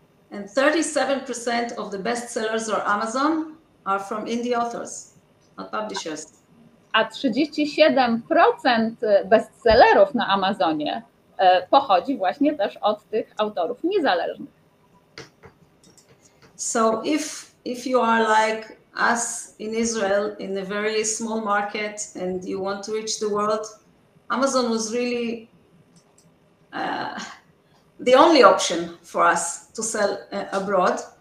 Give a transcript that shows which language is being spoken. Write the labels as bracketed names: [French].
[English] And 37% of the bestsellers on Amazon are from indie authors, not publishers. [Polish] A 37% bestsellerów na Amazonie pochodzi właśnie też od tych autorów niezależnych. [English] So if you are like us in Israel, in a very small market, and you want to reach the world, Amazon was really the only option for us to sell abroad.